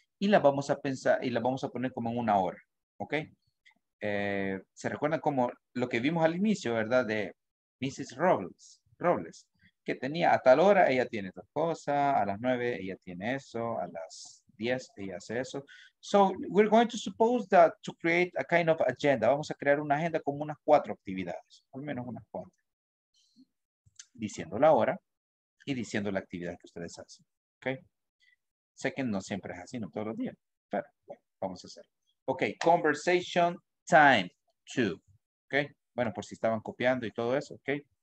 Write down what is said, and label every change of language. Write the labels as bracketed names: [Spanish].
[Spanish] Y la vamos a pensar y la vamos a poner como en una hora, ¿ok? Se recuerdan como lo que vimos al inicio, ¿verdad? De Mrs. Robles, que tenía a tal hora, ella tiene tal cosa, a las 9 ella tiene eso, a las 10 ella hace eso. [English] So, we're going to suppose that to create a kind of agenda. [Spanish] Vamos a crear una agenda como unas 4 actividades, al menos unas 4. Diciendo la hora y diciendo la actividad que ustedes hacen, ¿ok? Sé que no siempre es así, no todos los días, pero bueno, vamos a hacerlo. Ok, conversation time 2. Ok, bueno, por si estaban copiando y todo eso, ok.